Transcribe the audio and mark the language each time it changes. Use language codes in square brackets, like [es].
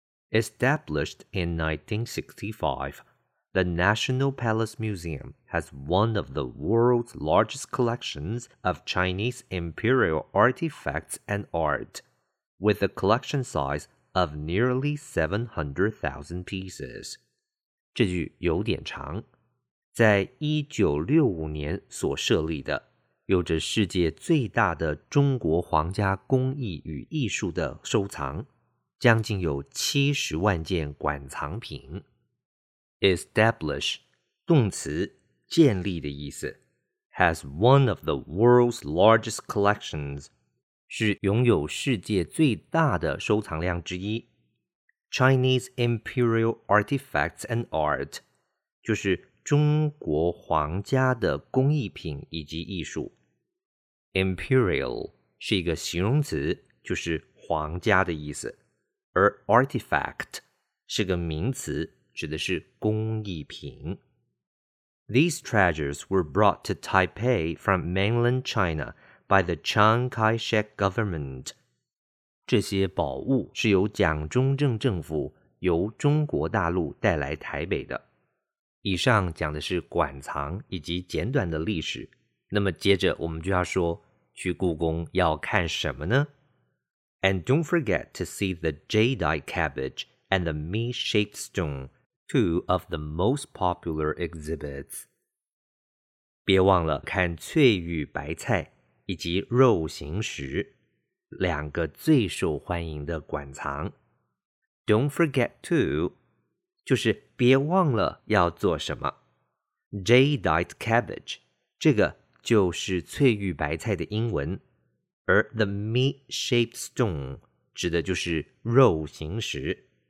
[en] Established in 1965, the National Palace Museum has one of the world's largest collections of Chinese imperial artifacts and art, with a collection size of nearly 700,000 pieces. [zh] 这句有点长。在1965年所设立的，有着世界最大的中国皇家工艺与艺术的收藏，将近有70万件馆藏品。 Establish, 动词，建立的意思。 [en] Has one of the world's largest collections, [zh] 是拥有世界最大的收藏量之一。 [en] Chinese imperial artifacts and art, [zh] 就是中国皇家的工艺品以及艺术。 Imperial 是一个形容词，就是皇家的意思。而 artifact 是个名词，指的是工艺品。 [en] These treasures were brought to Taipei from mainland China by the Chiang Kai-shek government. 这些宝物是由蒋中正政府由中国大陆带来台北的。 [zh] 以上讲的是馆藏以及简短的历史，那么接着我们就要说去故宫要看什么呢？ [en] And don't forget to see the jadeite cabbage and the meat-shaped stone, two of the most popular exhibits. [zh] 别忘了看翠玉白菜以及肉形石，两个最受欢迎的馆藏。 [en] Don't forget to [zh] 就是别忘了要做什么。 Jadeite cabbage 这个就是翠玉白菜的英文，而 [en] the meat-shaped stone [zh] 指的就是肉形石。